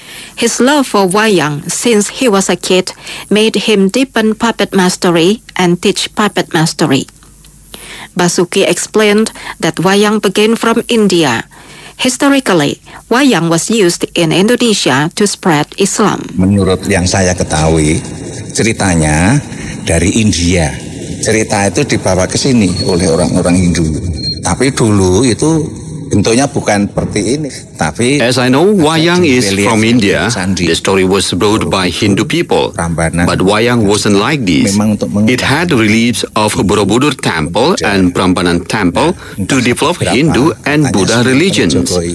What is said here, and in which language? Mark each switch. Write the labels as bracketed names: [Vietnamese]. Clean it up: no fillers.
[English] His love for wayang since he was a kid made him deepen puppet mastery and teach puppet mastery. Basuki explained that wayang began from India. Historically, wayang was used in Indonesia to spread Islam. [Indonesian] Menurut yang saya ketahui, ceritanya dari India. Cerita itu dibawa ke sini oleh orang-orang Hindu. Tapi dulu itu bentuknya bukan seperti ini, tapi [English] as I know, wayang is from India. The story was brought by Hindu people, but wayang wasn't like this. It had reliefs of Borobudur temple and Prambanan temple to develop Hindu and Buddha religions.